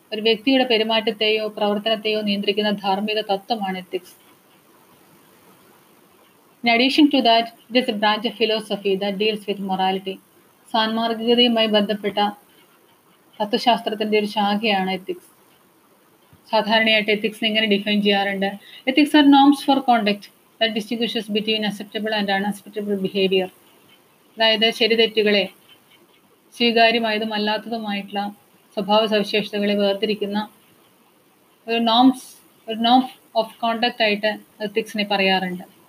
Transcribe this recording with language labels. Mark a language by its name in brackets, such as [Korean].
[Malayalam] ഒരു വ്യക്തിയുടെ പെരുമാറ്റത്തെയോ പ്രവർത്തനത്തെയോ നിയന്ത്രിക്കുന്ന ധാർമ്മിക തത്വമാണ് ethics. [English] In addition to that, it is a branch of philosophy that deals with morality. [Malayalam] സാൻമാർഗികതയുമായി ബന്ധപ്പെട്ട തത്വശാസ്ത്രത്തിൻ്റെ ഒരു ശാഖയാണ് എത്തിക്സ്. സാധാരണയായിട്ട് എത്തിക്സ് എങ്ങനെ ഡിഫൈൻ ചെയ്യാറുണ്ട്? [English] Ethics are norms for conduct that distinguishes between acceptable and unacceptable behaviour. [Malayalam] അതായത് ശരി തെറ്റുകളെ, സ്വീകാര്യമായതും അല്ലാത്തതുമായിട്ടുള്ള സ്വഭാവ സവിശേഷതകളെ വേർതിരിക്കുന്ന ഒരു നോംസ്, ഒരു നോം ഓഫ് കോണ്ടക്ട് ആയിട്ട് എത്തിക്സിനെ പറയാറുണ്ട്.